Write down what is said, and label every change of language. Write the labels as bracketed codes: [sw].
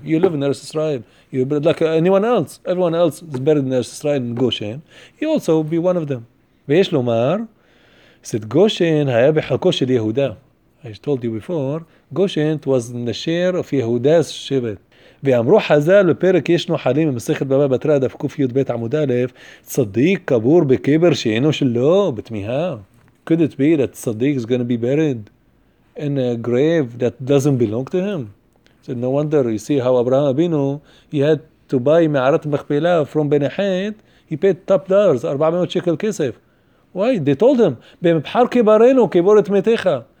[en] You live in Eretz Israel. You're buried like anyone else. Everyone else is buried in Eretz Israel in Goshen. He also will be one of them. [he] Ve'yesh lomar, [en] said [he] Goshen haya b'chalko shel Yehuda. [en] I told you before, Goshen was in the share of Yehuda's Shevet. [he] ואמרו חזל בפרק יש נוחלים במסכת בבא בתרא דף קי"ב עמוד א' צדיק קבור בקבר שאינו שלו בתמיהה. [en] Could it be that צדיק is going to be buried in a grave that doesn't belong to him? So no wonder you see how Abraham Abinu, he had to buy Me'arat Machpelah from Benahet. He paid top dollars, 400 shekel kesef. Why? They told him, [he] "Bemibhar kibarenu kiboret metecha."